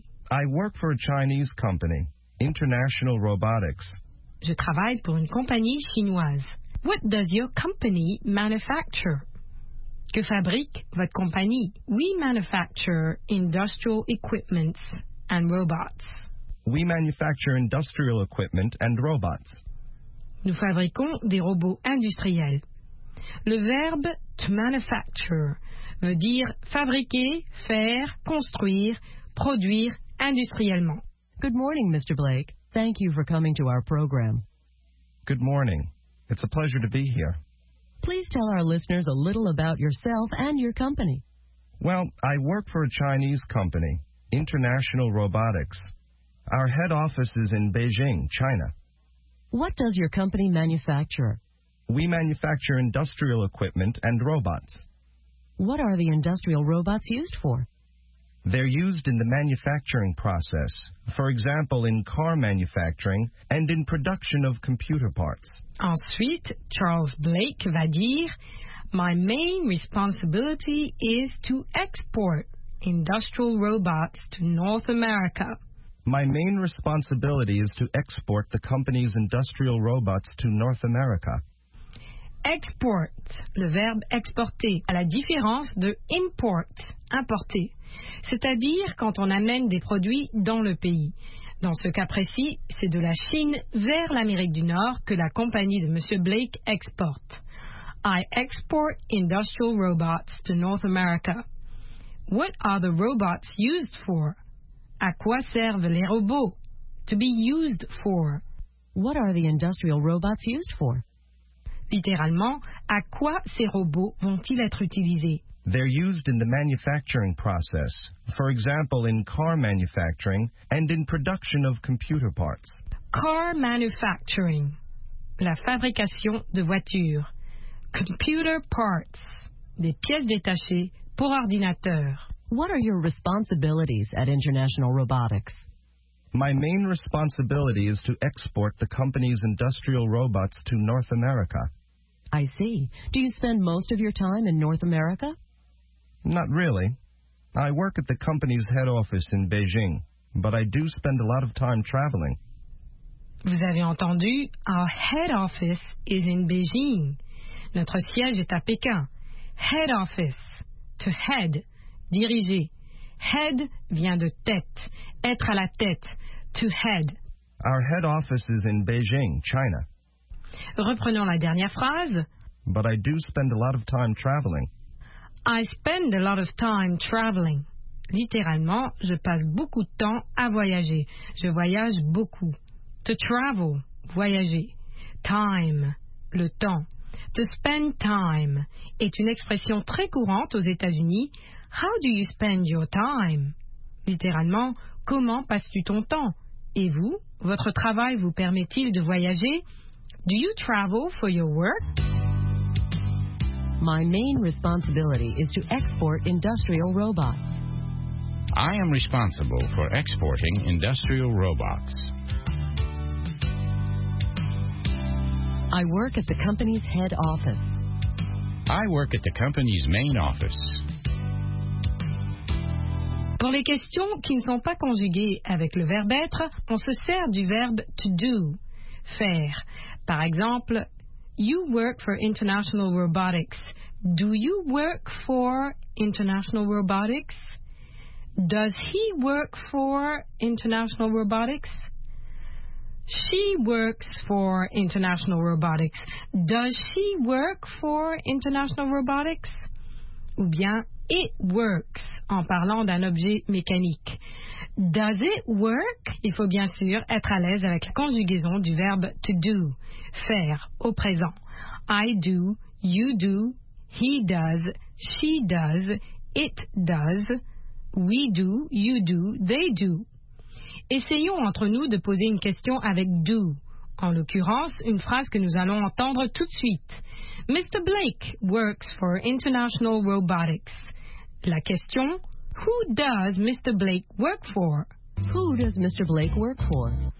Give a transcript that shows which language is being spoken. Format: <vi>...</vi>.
<en>I work for a Chinese company, International Robotics.</en> <fr>Je travaille pour une compagnie chinoise.</fr> <en>What does your company manufacture?</en> <fr>Que fabrique votre compagnie?</fr> <en>We manufacture industrial equipment and robots. We manufacture industrial equipment and robots.</en> <fr>Nous fabriquons des robots industriels. Le verbe to manufacture veut dire fabriquer, faire, construire, produire industriellement.</fr> <en>Good morning, Mr. Blake. Thank you for coming to our program. Good morning. It's a pleasure to be here. Please tell our listeners a little about yourself and your company. Well, I work for a Chinese company, International Robotics. Our head office is in Beijing, China. What does your company manufacture? We manufacture industrial equipment and robots. What are the industrial robots used for? They're used in the manufacturing process, for example, in car manufacturing and in production of computer parts.</en> <fr>Ensuite, Charles Blake va dire,</fr> <en>My main responsibility is to export industrial robots to North America. My main responsibility is to export the company's industrial robots to North America.</en> <fr>Export, le verbe exporter, à la différence de import, importer, c'est-à-dire quand on amène des produits dans le pays. Dans ce cas précis, c'est de la Chine vers l'Amérique du Nord que la compagnie de M.</fr> <en>Blake</en> <fr>exporte.</fr> <en>I export industrial robots to North America. What are the robots used for?</en> <fr>À quoi servent les robots?</fr> <en>To be used for. What are the industrial robots used for?</en> <fr>Littéralement, à quoi ces robots vont-ils être utilisés?</fr> <en>They're used in the manufacturing process, for example, in car manufacturing and in production of computer parts. Car manufacturing,</en> <fr>la fabrication de voitures.</fr> <en>Computer parts,</en> <fr>des pièces détachées pour ordinateur.</fr> <en>What are your responsibilities at International Robotics? My main responsibility is to export the company's industrial robots to North America. I see. Do you spend most of your time in North America? Not really. I work at the company's head office in Beijing, but I do spend a lot of time traveling.</en> <fr>Vous avez entendu,</fr> <en>our head office is in Beijing.</en> <fr>Notre siège est à Pékin. Head office, to head, diriger. Head vient de tête, être à la tête, to head.</fr> <en>Our head office is in Beijing, China.</en> <fr>Reprenons la dernière phrase.</fr> <en>But I do spend a lot of time traveling. I spend a lot of time traveling.</en> <fr>Littéralement, je passe beaucoup de temps à voyager. Je voyage beaucoup. To travel, voyager. Time, le temps. To spend time est une expression très courante aux États-Unis.</fr> <en>How do you spend your time?</en> <fr>Littéralement, comment passes-tu ton temps? Et vous, votre travail vous permet-il de voyager?</fr> <en>Do you travel for your work? My main responsibility is to export industrial robots. I am responsible for exporting industrial robots. I work at the company's head office. I work at the company's main office.</en> <fr>Pour les questions qui ne sont pas conjuguées avec le verbe être, on se sert du verbe to do. Faire. Par exemple,</fr> <en>you work for International Robotics. Do you work for International Robotics? Does he work for International Robotics? She works for International Robotics. Does she work for International Robotics?</en> <fr>Ou bien,</fr> <en>it works,</en> <fr>en parlant d'un objet mécanique.</fr> <en>Does it work?</en> <fr>Il faut bien sûr être à l'aise avec la conjugaison du verbe to do, faire, au présent.</fr> <en>I do, you do, he does, she does, it does, we do, you do, they do.</en> <fr>Essayons entre nous de poser une question avec do. En l'occurrence, une phrase que nous allons entendre tout de suite.</fr> <en>Mr. Blake works for International Robotics.</en> <fr>La question,</fr> <en>who does Mr. Blake work for? Who does Mr. Blake work for?</en>